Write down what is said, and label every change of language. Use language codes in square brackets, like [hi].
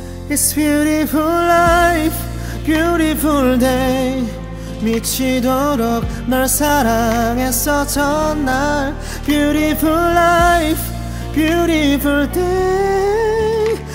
[en] It's beautiful life, beautiful day. [ko] 미치도록 널 사랑했어 전날. [en] Beautiful life, beautiful day.